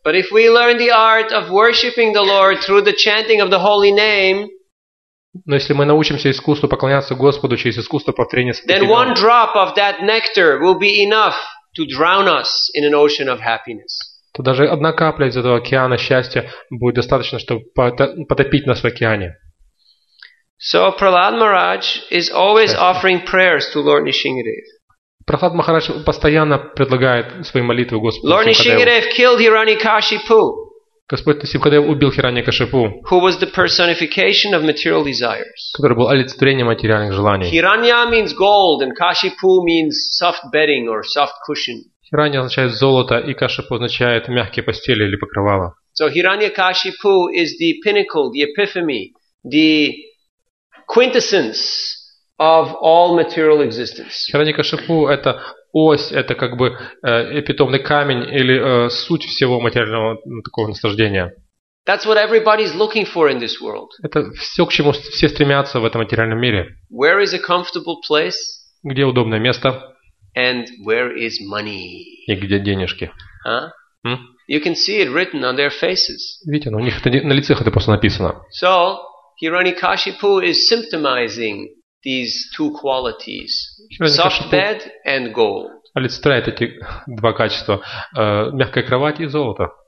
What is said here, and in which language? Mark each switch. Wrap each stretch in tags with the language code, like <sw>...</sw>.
<en>But if we learn the art of worshiping the Lord through the chanting of the holy name,</en> <ru>но если мы научимся искусству поклоняться Господу через искусство повторения святых имен,</ru> <en>then one drop of that nectar will be enough to drown us in an ocean of happiness.</en> <ru>То даже одна капля из этого океана счастья будет достаточно, чтобы потопить нас в океане.</ru> <en>So Prahlad Maharaj is always offering prayers to Lord Nisshinkadev.</en> <ru>Prahlad Maharaj постоянно предлагает свои молитвы Господу.</ru> <en>Lord Nisshinkadev killed Hiranyakashipu.</en> <ru>Господь Нисхимхадев убил Хираньякашипу.</ru> <en>Who was the personification of material desires?</en> <ru>Который был олицетворением материальных желаний.</ru> <en>Hiranya means gold and Kashipu means soft bedding or soft cushion.</en> <ru>Hiranya означает золото и Кашипу означает мягкие постели или покрывало.</ru> <en>So Hiranyakashipu is the pinnacle, the epiphany, the quintessence of all material existence.</en> <ru>Хираньякашипу это ось, это как бы эпитомный камень или суть всего материального такого наслаждения.</ru> <en>That's what everybody's looking for in this world.</en> <ru>Это все, к чему все стремятся в этом материальном мире.</ru> <en>Where is a comfortable place?</en> <ru>Где удобное место?</ru> <en>And where is money?</en> <ru>И где денежки? Huh?</ru> <en>You can see it written on their faces.</en> <ru>Видите, у них это на лицах это просто написано.</ru> <en>So Hiranyakashipu is symptomizing these two qualities, soft bed and gold.</en> <ru>Олицетворяет эти два качества, мягкая кровать и золото.</ru>